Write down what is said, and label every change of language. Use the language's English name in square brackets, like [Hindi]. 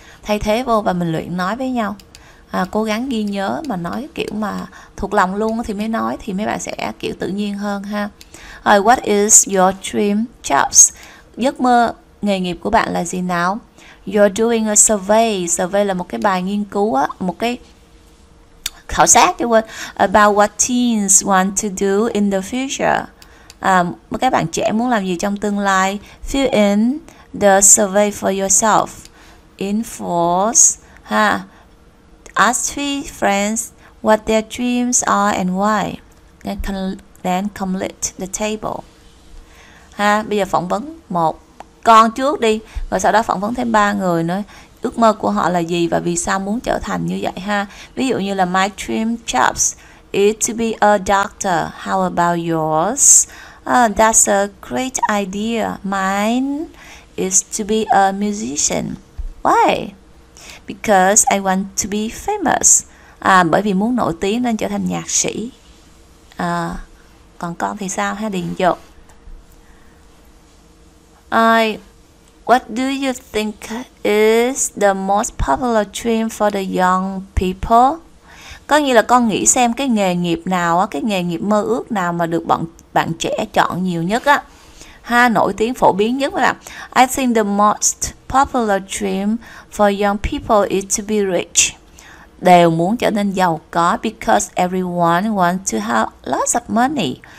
[Vietnamese] Thay thế vô và mình luyện nói với nhau. Cố gắng ghi nhớ mà nói kiểu mà thuộc lòng luôn thì mới nói thì mấy bạn sẽ kiểu tự nhiên hơn ha. Rồi, [English] what is your dream jobs? [Vietnamese] Giấc mơ nghề nghiệp của bạn là gì nào? [English] You're doing a survey. [Vietnamese] Survey là một cái bài nghiên cứu á, một cái khảo sát cho quên. [English] About what teens want to do in the future. [Vietnamese] Các bạn trẻ muốn làm gì trong tương lai? [English] Fill in the survey for yourself. Enforce, ha. Ask three friends what their dreams are and why. Then complete the table. [Vietnamese] Ha, bây giờ phỏng vấn một con trước đi, rồi sau đó phỏng vấn thêm ba người nữa. Ước mơ của họ là gì và vì sao muốn trở thành như vậy ha? Ví dụ như là [English] my dream jobs is to be a doctor. How about yours? That's a great idea. Mine is to be a musician. Why? Because I want to be famous. [Vietnamese] Bởi vì muốn nổi tiếng nên trở thành nhạc sĩ. Còn con thì sao ha? Điền dột. [English] What do you think is the most popular dream for the young people? [Vietnamese] Có nghĩa là con nghĩ xem cái nghề nghiệp nào á, cái nghề nghiệp mơ ước nào mà được bọn bạn trẻ chọn nhiều nhất á. [English] Ha, [Vietnamese] nổi tiếng phổ biến nhất là [English] I think the most popular dream for young people is to be rich. [Vietnamese] Đều muốn trở nên giàu có [English] because everyone wants to have lots of money.